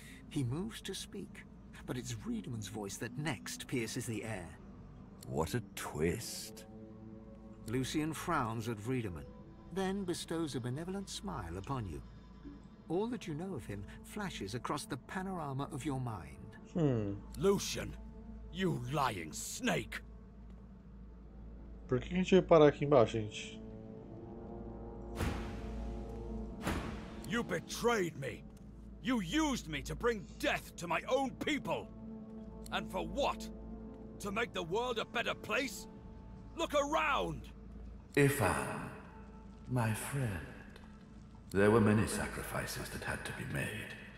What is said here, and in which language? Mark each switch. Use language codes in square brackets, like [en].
[en] He moves to speak, but it's Riedemann's voice that next pierces the air. What a twist. Lucian frowns at Riedemann, then bestows a benevolent smile upon you. All that you know of him flashes across the panorama of your mind. Lucian, you lying snake! [pt] Por que a gente vai parar aqui embaixo, gente? [en] You betrayed me! You used me to bring death to my own people! And for what? To make the world a better place? Look around! Ifan, my friend, there were many sacrifices that had to be made.